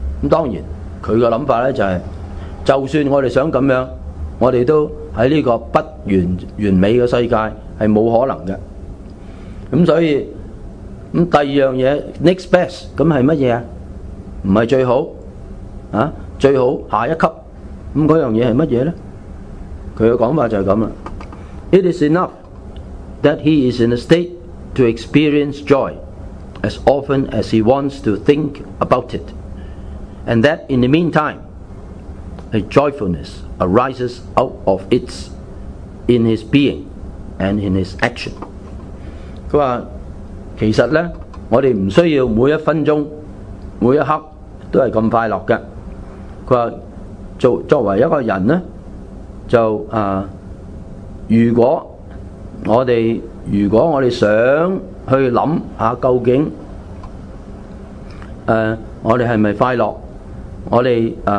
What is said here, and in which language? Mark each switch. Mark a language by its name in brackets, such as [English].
[Chinese] 当然他的想法就是，就算我们想这样，我们都在这个不 完美的世界是没可能的。所以第二样东西 [English] next best [Chinese] 是什么？不是最好最好下一级，那样东西是什么呢？他的讲法就是这样， [English] It is enough that he is in a state to experience joy as often as he wants to think about itAnd that in the meantime, a joyfulness arises out of it in his being and in his action. [Chinese] 他说其实呢我们不需要每一分钟每一刻都是这么快乐的。他说作为一个人呢就如果我们想去想下究竟我们是不是快乐，我们